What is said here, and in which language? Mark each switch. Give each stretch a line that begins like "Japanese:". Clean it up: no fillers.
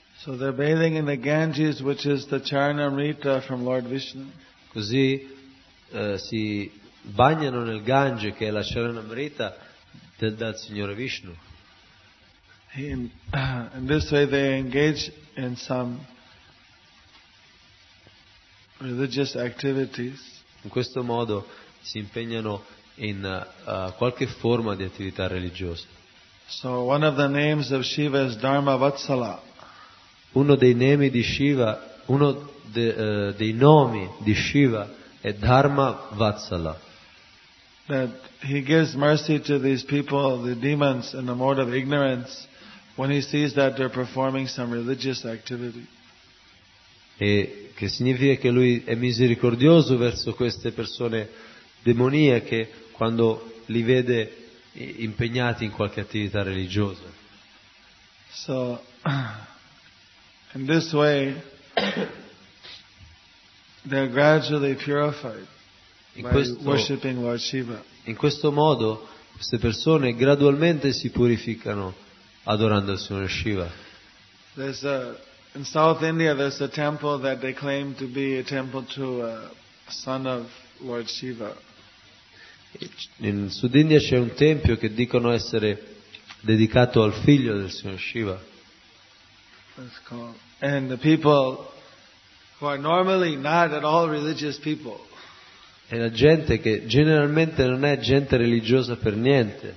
English: So they're bathing in the Ganges, which is the Charanamrita from Lord Vishnu.
Italian: Così si bagnano nel Gange, che è la Charanamrita dal Signore Vishnu.
English: In this way they engage in some religious activities.
Italian: In questo modo si impegnano in qualche forma di attività religiosa.
English: So one of the names of Shiva is Dharma Vatsala.
Italian: Uno dei nomi di Shiva, dei nomi di Shiva è Dharma Vatsala.
English: That he gives mercy to these people, the demons, in a mode of ignorance, when he sees that they're performing some religious activity.
Italian: E che significa che lui è misericordioso verso queste persone demoniache quando li vede impegnati in qualche attività religiosa.
English: So, in this way, they're gradually purified by worshiping Lord Shiva.
Italian: In questo modo, queste persone gradualmente si purificano adorando il Signore Shiva.
English: There's a, in South India, there's a temple that they claim to be a temple to a son of Lord Shiva.
Italian: In Sud India c'è un tempio che dicono essere dedicato al figlio del Signore Shiva.
English: That's cool. And the people who are normally not at all religious people.
Italian: E la gente che generalmente non è gente religiosa per niente.